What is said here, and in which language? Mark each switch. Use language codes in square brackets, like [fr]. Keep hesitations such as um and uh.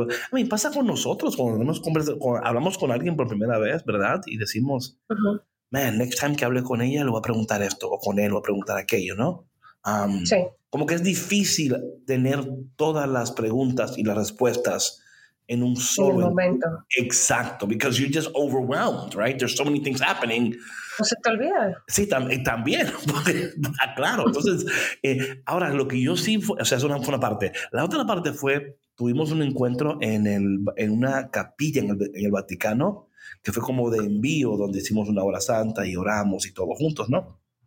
[es] A mí pasa con nosotros, cuando, nos cuando hablamos con alguien por primera vez, ¿verdad? Y decimos, uh -huh [en] man, next time [es] que hable con ella le voy a preguntar esto, o con él le voy a preguntar aquello, ¿no? Um, sí. Como que es difícil tener todas las preguntas y las respuestas en un solo en momento. [en] Exacto, because you're just overwhelmed, right? There's so many things happening. [es] No se te olvida. Sí, tam también, claro. Entonces, eh, ahora lo que yo sí, fue, o sea, eso fue una parte. La otra parte fue, tuvimos un encuentro en, el, en una capilla en el, en el Vaticano, que fue como de envío, donde hicimos una hora santa y oramos y todos juntos, ¿no?